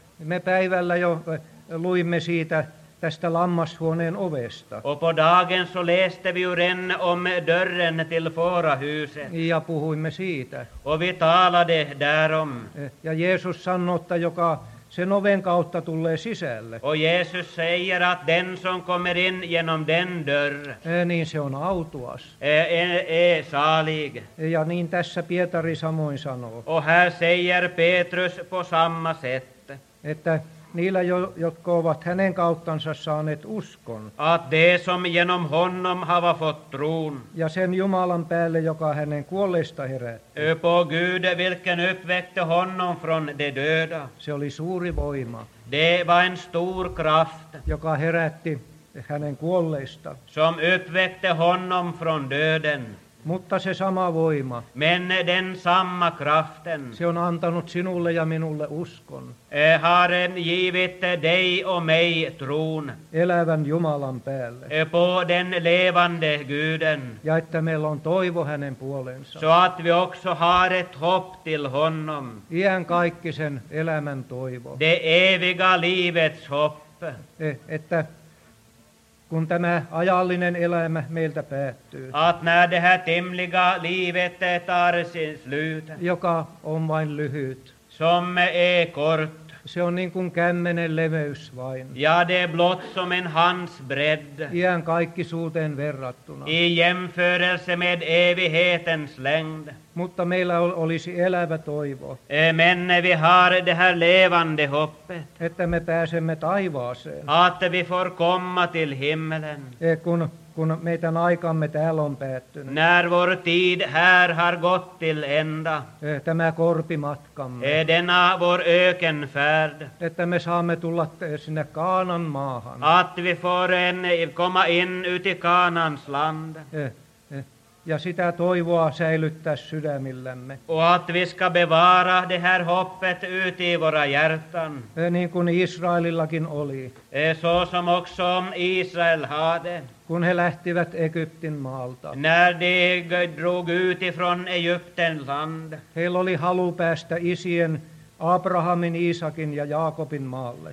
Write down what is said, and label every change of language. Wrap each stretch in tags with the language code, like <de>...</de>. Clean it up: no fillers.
<fi>Me päivällä jo luimme siitä tästä lammashuoneen ovesta.</fi> <sv>Och på dagen så läste vi ur en om dörren till fårahuset.</sv> <fi>Ja puhuimme siitä.</fi> <sv>Och vi talade därom.</sv> <fi>Ja Jeesus sanoi, että joka sen oven kautta tulee sisälle.</fi> <sv>Och Jesus säger att den som kommer in genom den dörr.</sv> <fi>Niin se on autuas.</fi> <sv>Salig.</sv> <fi>Ja niin tässä Pietari samoin sanoo.</fi> <sv>Och här säger Petrus på samma sätt.</sv> <fi>Että niillä, jotka ovat hänen kauttansa saaneet uskon.</fi> <sv>Att de som genom honom hava fått tron.</sv> <fi>Ja sen Jumalan päälle, joka hänen kuolleista herätti.</fi> <sv>På Gud, vilken uppväckte honom från de döda.</sv> <fi>Se oli suuri voima.</fi> <sv>Det var en stor kraft.</sv> <fi>Joka herätti hänen kuolleista.</fi> <sv>Som uppväckte honom från döden.</sv> <fi>Mutta se sama voima.</fi> <sv>Men den samma kraften.</sv> <fi>Se on antanut sinulle ja minulle uskon.</fi> <sv>Har givit dig och mig tron.</sv> <fi>Elävän Jumalan päälle.</fi> <sv>På den levande guden.</sv> <fi>Ja että meillä on toivo hänen puolensa.</fi> <sv>Så att vi också har ett hopp till honom.</sv> <fi>Iänkaikkisen elämän toivo.</fi> <sv>Det eviga livets hopp.</sv> <fi>Että kun tämä ajallinen elämä meiltä päättyy.</fi> <sv>Att när det här temliga livet tar sin slut.</sv> <fi>Joka on vain lyhyt.</fi> <sv>Som är kort.</sv> <fi>Se on niin kuin kämmenen leveys vain.</fi> <sv>Ja det är blott som en hans bredd.</sv> <fi>Iän kaikkisuuteen verrattuna.</fi> <sv>I jämförelse med evighetens längd.</sv> <fi>Mutta meillä olisi elävä toivo.</fi> <sv>Men vi har det här levande hoppet.</sv> <fi>Että me pääsemme taivaaseen.</fi> <sv>Att vi får komma till himmelen.</sv> <fi>Kun meidän aikamme täällä on päättynyt.</fi> <sv>När vår tid här har gått till ända.</sv> <fi>Tämä korpimatkamme.</fi> <sv>Denna vår ökenfärd.</sv> <fi>Että me saamme tulla sinne Kaanan maahan.</fi> <sv>Att vi får komma in ut i Kaanans land.</sv> <fi>Ja sitä toivoa säilyttää sydämillämme.</fi> <sv>Och att vi ska bevara det här hoppet ut i våra hjärtan.</sv> <fi>Niin kuin Israelillakin oli.</fi> <sv>Så som också Israel hade.</sv> <fi>Kun he lähtivät Egyptin maalta.</fi> <sv>När de drog ut ifrån Egypten land.</sv> <fi>Heillä oli halu päästä isien Abrahamin, Isakin ja Jaakobin maalle.</fi>